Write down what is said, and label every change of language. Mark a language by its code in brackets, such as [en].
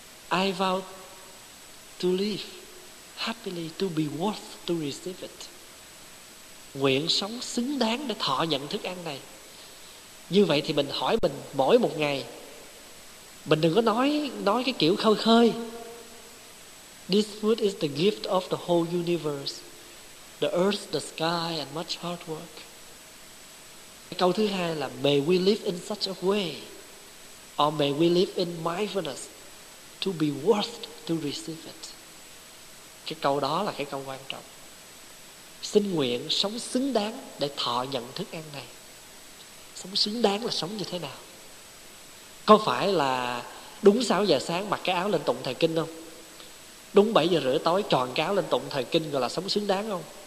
[en] I vow to live happily, to be worth to receive it. [vi] Nguyện sống xứng đáng để thọ nhận thức ăn này. Như vậy thì mình hỏi mình mỗi một ngày. Mình đừng có nói cái kiểu khơi khơi. [en] This food is the gift of the whole universe, the earth, the sky, and much hard work. [vi] Câu thứ hai là [en] may we live in such a way, or may we live in mindfulness, to be worth to receive it. [vi] Cái câu đó là cái câu quan trọng. Xin nguyện sống xứng đáng để thọ nhận thức ăn này. Sống xứng đáng là sống như thế nào? Có phải là đúng 6 giờ sáng mặc cái áo lên tụng thời kinh không? Đúng 7 giờ rưỡi tối tròn cái áo lên tụng thời kinh gọi là sống xứng đáng không?